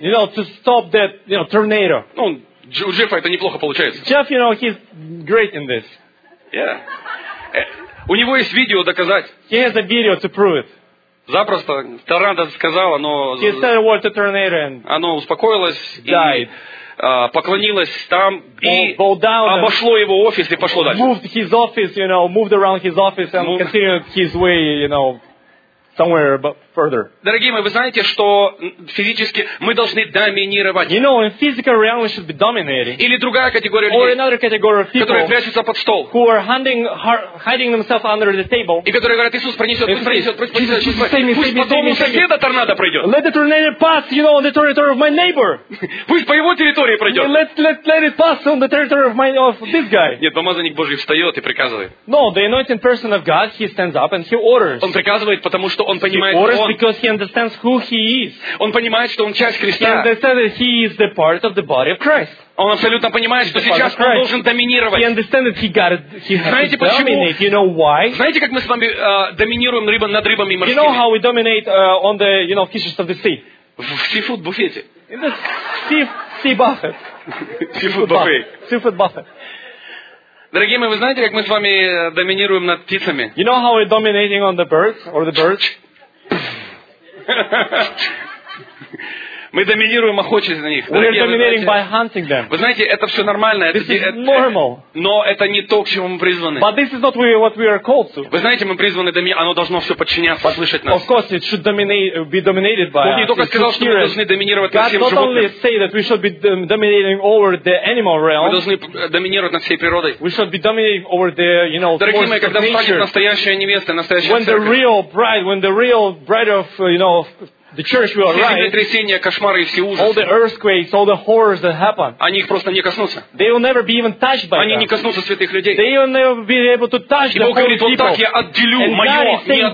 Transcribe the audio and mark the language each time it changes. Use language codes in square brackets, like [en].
[en] You know, to stop that, you know, tornado. [ru] Ну, у Джеффа это неплохо получается. [en] Jeff, you know, he's great in this. Yeah. [ru] У него есть видео доказать. [en] He has a video to prove it. [ru] Запросто. Торнадо сказала, но... [en] He said a word to tornado and... [ru] Оно успокоилось [en] died. [ru] И поклонилось там и [en] bow down [ru] обошло его офис и пошло дальше. [en] Moved his office, you know, moved around his office and continued his way, you know. Somewhere further. [ru] Дорогие мои, вы знаете, что физически мы должны доминировать. [en] You know, in physical realm we should be dominating. [ru] Или другая категория [en] or [ru] людей, [en] another category of people, [ru] которые прячутся под стол. [en] Who are hiding themselves under the table. [ru] И которые говорят, Иисус пронесет, пусть пронесет, пусть пронесет, пусть по дому соседа торнадо пройдет. [en] Let the tornado pass, you know, on the territory of my neighbor. [ru] Пусть по его территории пройдет. [en] Let it pass on the territory of this guy. [ru] Нет, помазанник Божий встает и приказывает. [en] No, the anointed person of God, he stands up and he orders. [ru] Он приказывает, потому что он понимает, [en] he orders [ru] он, [en] because he understands who he is. [ru] Он понимает, что он часть Христа. [en] He understands that he is the part of the body of Christ. [ru] Он абсолютно понимает, что сейчас он должен доминировать. [en] He understands that he has [ru] Знаете, [en] to dominate. You know why? [ru] Знаете, как мы с вами доминируем рыба над рыбами морскими? [en] You know how we dominate on the, you know, fishes of the sea? [ru] В seafood буфете. [en] In the sea buffet. Seafood buffet. [ru] Дорогие мои, вы знаете, как мы с вами доминируем над птицами? [en] You know how we're dominating on the birds or the birds? [ru] Мы доминируем, охочусь на них. [en] We're dominating by hunting them. [ru] Вы знаете, это все нормально. [en] This [ru] это, [en] is normal. [ru] Но это не то, к чему мы призваны. [en] But this is not what we are called to. [ru] Вы знаете, мы призваны доминировать. Оно должно все подчиняться, слышать нас. [en] Of course, it should dominate, be dominated by us. [ru] Бог не только сказал, что мы должны доминировать над всем животным. [en] God not only say that we should be dominating over the animal realm. [ru] Мы должны доминировать над всей природой. [en] We should be dominating over the, you know, dragons. [ru] Дорогие мои, когда встанет настоящая невеста, настоящая церковь. [en] When the real bride, when the real bride of, you know, the church will arrive. All the earthquakes, all the horrors that happen. They will never be even touched by that. They will never be able to touch the holy people. And God is saying,